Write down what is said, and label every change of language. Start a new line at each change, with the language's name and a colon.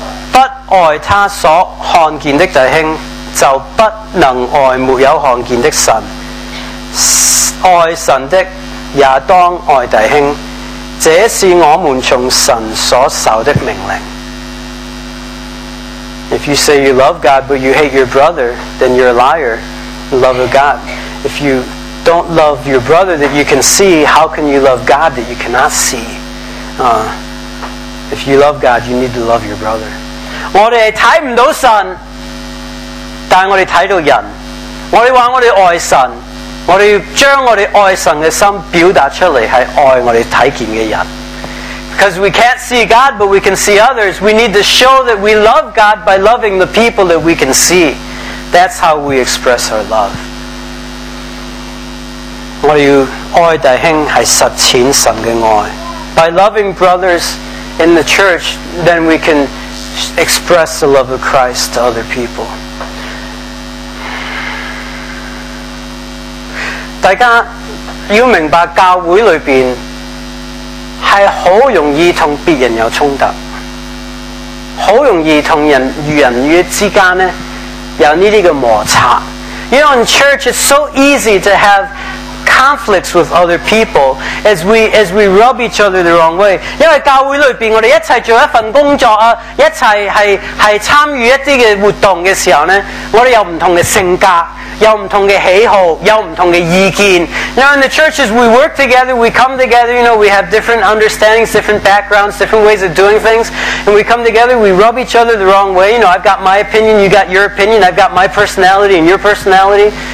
Chinese: 不爱他所看见的弟兄，就不能爱没有看见的神。爱神的也当爱弟兄，这是我们从神所受的命令。
English: If you say you love God but you hate your brother, then you're a liar. Love of God. If you don't love your brother that you can see, how can you love God that you cannot see? If you love God, you need to love your brother.
Chinese: 我们看不到神，但我们看到人。我们说我们爱神，我们将我们爱神的心表达出来，是爱我们看见的人。
English: Because we can't see God, but we can see others. We need to show that we love God by loving the people that we can see. That's how we express our love.
Chinese: 我们爱弟兄是实践神的爱。
English: By loving brothers in the church, then we can express the love of Christ to other people.
Chinese: 大家要明白教会里面是很容易跟别人有冲突，很容易跟人与人之间呢有这些摩擦。
English: You know, in church it's so easy to have conflicts with other people as we rub each other the wrong way.
Chinese: 因为教会里面我们一起做一份工作，一起 是参与一些活动的时候呢，我们有不同的性格，有不同的喜好，有不同的意见。
English: Now in the churches we work together, we come together, you know, we have different understandings, different backgrounds, different ways of doing things, and we come together, we rub each other the wrong way. You know, I've got my opinion, you got your opinion, I've got my personality and your personality.